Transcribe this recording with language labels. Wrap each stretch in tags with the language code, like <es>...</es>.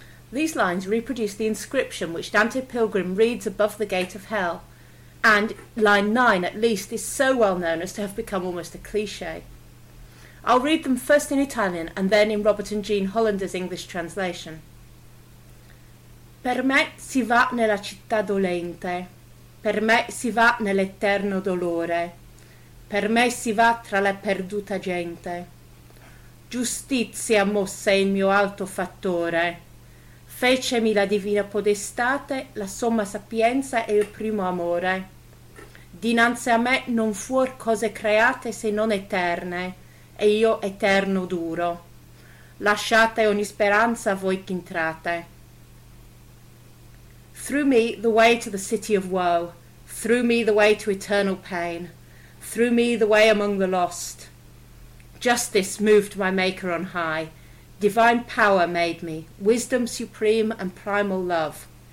<en>These lines reproduce the inscription which Dante Pilgrim reads above the gate of hell, and line 9 at least is so well known as to have become almost a cliché. I'll read them first in Italian and then in Robert and Jean Hollander's English translation.</en> <it>Per me si va nella città dolente, per me si va nell'eterno dolore, per me si va tra la perduta gente. Giustizia mosse il mio alto fattore, fecemi la divina podestate, la somma sapienza e il primo amore. Dinanzi a me non fuor cose create se non eterne, e io eterno duro. Lasciate ogni speranza voi ch'intrate.</it> <en>Through me the way to the city of woe, through me the way to eternal pain, through me the way among the lost. Justice moved my Maker on high, divine power made me, wisdom supreme and primal love.</en>